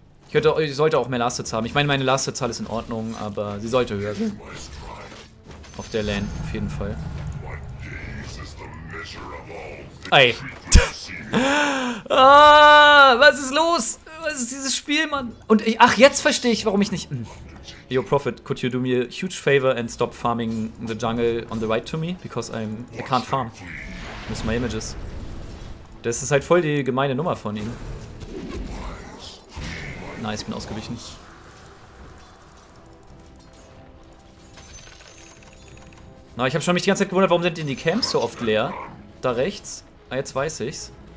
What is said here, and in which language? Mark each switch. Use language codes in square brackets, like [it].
[de] Ich sollte auch mehr Last Hits haben. Ich meine, meine Last Hits ist in Ordnung, aber sie sollte höher sein. Auf der Lane, auf jeden Fall. Ey. Ah, was ist los? Was ist dieses Spiel, Mann? Und ich, ach, jetzt verstehe ich, warum ich nicht... [en] Yo, Prophet, could you do me a huge favor and stop farming the jungle on the right to me? Because I can't farm. Miss my images. [de] Das ist halt voll die gemeine Nummer von ihm. Nice, bin ausgewichen. Na, ich habe schon mich die ganze Zeit gewundert, warum sind denn die Camps so oft leer? Da rechts. Ah, jetzt weiß ich's.